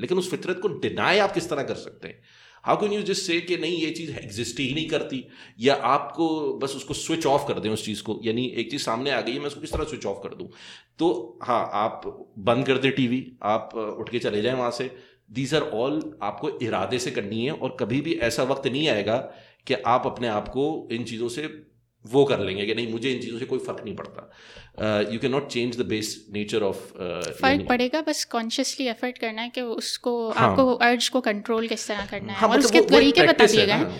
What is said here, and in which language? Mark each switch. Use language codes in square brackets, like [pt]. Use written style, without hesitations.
[ur] لیکن اس فطرت کو ڈینائی آپ کس طرح کر سکتے ہیں؟ [en] how can you just say [ur] کہ نہیں یہ چیز ایگزسٹ ہی نہیں کرتی, یا آپ کو بس اس کو سوئچ آف کر دیں اس چیز کو, یعنی ایک چیز سامنے آ گئی ہے میں اس کو کس طرح سوئچ آف کر دوں. تو ہاں, آپ بند کر دیں ٹی وی, آپ اٹھ کے چلے جائیں وہاں سے. [en] these are all [ur] آپ کو ارادے سے کرنی ہے, اور کبھی بھی ایسا وقت نہیں آئے گا کہ آپ اپنے آپ کو ان چیزوں سے وہ کر لیں گے کہ نہیں مجھے ان چیزوں سے کوئی فرق نہیں پڑتا. [en] you can not change the base nature of, [ur] فرق پڑے گا, بس کانشیسلی ایفرٹ کرنا ہے کہ اس کو آپ کو ارج کو کنٹرول کس طرح کرنا ہے اور اس کے طریقے بتا دیے گئے.